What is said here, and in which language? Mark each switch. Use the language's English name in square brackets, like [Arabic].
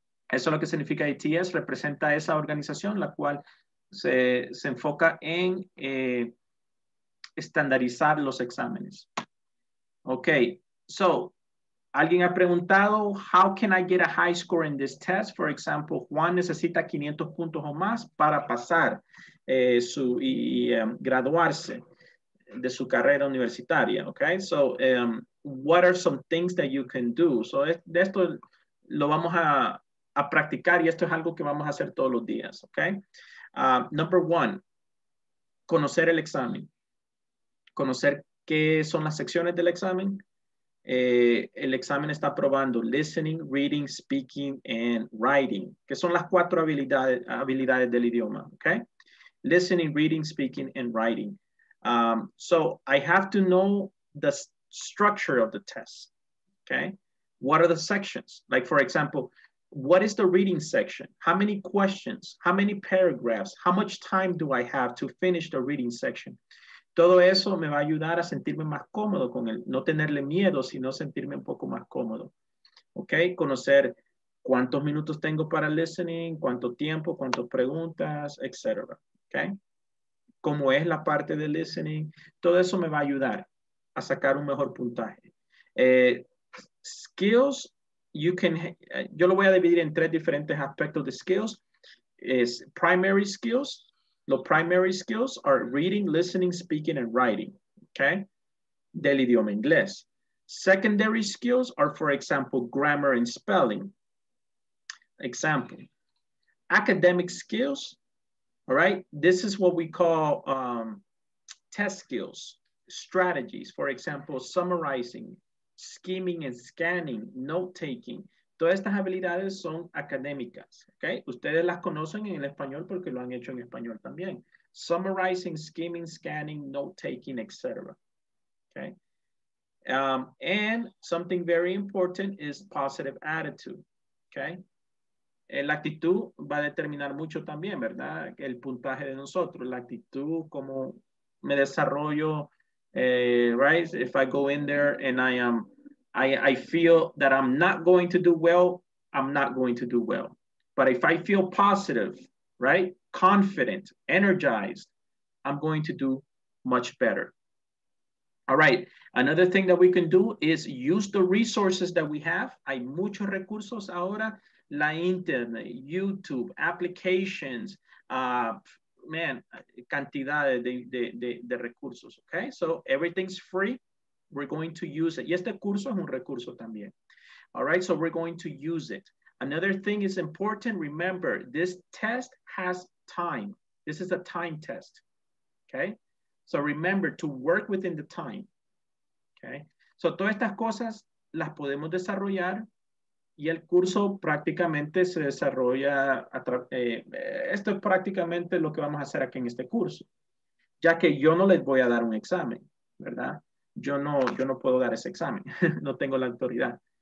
[Spanish] Eso es lo que significa ETS, representa esa organización, la cual se enfoca en estandarizar los exámenes. [English] Ok, so, [Spanish] alguien ha preguntado, [English] how can I get a high score in this test? [Spanish] For example, Juan necesita 500 puntos o más para pasar graduarse de su carrera universitaria. [English] Ok, so, what are some things that you can do? [Spanish] So, de esto lo vamos a practicar y esto es algo que vamos a hacer todos los días. [English] Ok, number one, [Spanish] conocer el examen. Conocer qué son las secciones del examen. El examen está probando [English] listening, reading, speaking, and writing, [Spanish] que son las cuatro habilidades del idioma, okay? [English] Listening, reading, speaking, and writing. So I have to know the structure of the test, okay? What are the sections? Like, for example, what is the reading section? How many questions? How many paragraphs? How much time do I have to finish the reading section? [Spanish] Todo eso me va a ayudar a sentirme más cómodo con él, no tenerle miedo, sino sentirme un poco más cómodo. Ok, conocer cuántos minutos tengo para listening, cuánto tiempo, cuántas preguntas, etc. Ok, cómo es la parte de listening. Todo eso me va a ayudar a sacar un mejor puntaje. [English] Skills, you can, [Spanish] yo lo voy a dividir en tres diferentes aspectos de skills. [English] Es primary skills. The primary skills are reading, listening, speaking, and writing, okay? [Spanish] Del idioma inglés. [English] Secondary skills are, for example, grammar and spelling. Example, academic skills, all right? This is what we call test skills, strategies. For example, summarizing, scheming and scanning, note-taking. [Spanish] Todas estas habilidades son académicas, ¿ok? Ustedes las conocen en el español porque lo han hecho en español también. [English] Summarizing, skimming, scanning, note-taking, etc. ¿Ok? And something very important is positive attitude, ¿ok? [Spanish] La actitud va a determinar mucho también, ¿verdad? El puntaje de nosotros, la actitud, cómo me desarrollo, right? [English] If I go in there and I feel that I'm not going to do well, I'm not going to do well. But if I feel positive, right, confident, energized, I'm going to do much better. All right, another thing that we can do is use the resources that we have. [Spanish] Hay muchos recursos ahora, la internet, YouTube, applications, man, cantidades de recursos, okay? [English] So everything's free. We're going to use it. [Spanish] Y este curso es un recurso también. [English] All right, so we're going to use it. Another thing is important. Remember, this test has time. This is a time test, okay? So remember to work within the time, okay? [Spanish] So todas estas cosas las podemos desarrollar y el curso prácticamente se desarrolla. Esto es prácticamente lo que vamos a hacer aquí en este curso, ya que yo no les voy a dar un examen, ¿verdad? Yo no puedo dar ese examen, no tengo la autoridad.